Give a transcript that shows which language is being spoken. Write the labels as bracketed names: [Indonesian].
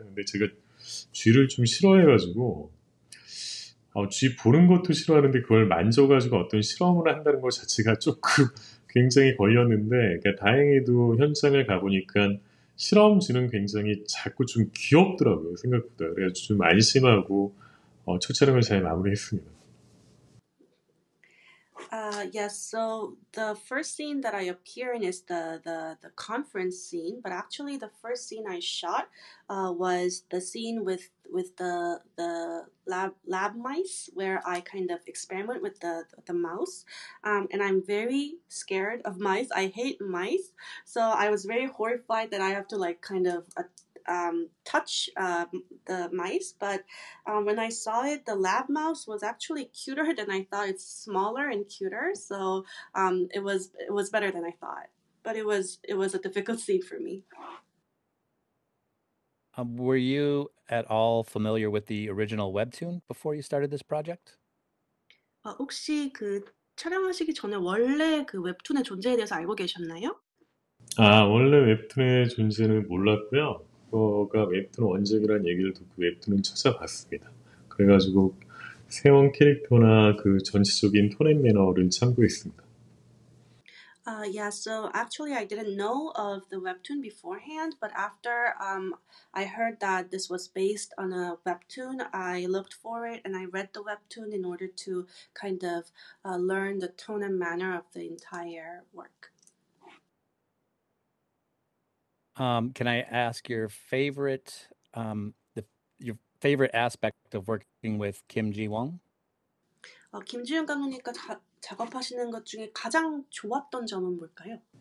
[Korean] 근데 제가 쥐를 좀 싫어해가지고 쥐 보는 것도 싫어하는데 그걸 만져가지고 어떤 실험을 한다는 것 자체가 조금 굉장히 걸렸는데, 그러니까 다행히도 현장을 가보니까 실험 쥐는 굉장히 작고 좀 귀엽더라고요, 생각보다. 그래서 좀 안심하고 첫 촬영을 잘 마무리했습니다. [English] So the first scene that I appear in is the conference scene, but actually the first scene I shot was the scene with the lab mice, where I kind of experiment with the mouse. And I'm very scared of mice. I hate mice. So I was very horrified that I have to like kind of touch the mice, but when I saw it, the lab mouse was actually cuter than I thought. It's smaller and cuter, so it was better than I thought. But it was a difficult scene for me. Were you at all familiar with the original webtoon before you started this project? [Korean] 혹시 그 촬영하시기 전에 원래 그 웹툰의 존재에 대해서 알고 계셨나요? 원래 웹툰의 존재는 몰랐고요. 그거가 웹툰 원작이라는 얘기를 듣고 웹툰은 찾아봤습니다. 그래가지고 세원 캐릭터나 그 전체적인 톤앤 매너를 참고했습니다. [English] So actually I didn't know of the webtoon beforehand, but after I heard that this was based on a webtoon, I looked for it and I read the webtoon in order to kind of learn the tone and manner of the entire work. Can I ask your favorite, your favorite aspect of working with Kim Ji Wong? [Korean] 김지훈 감독님과 작업하시는 것 중에 가장 좋았던 점은 뭘까요?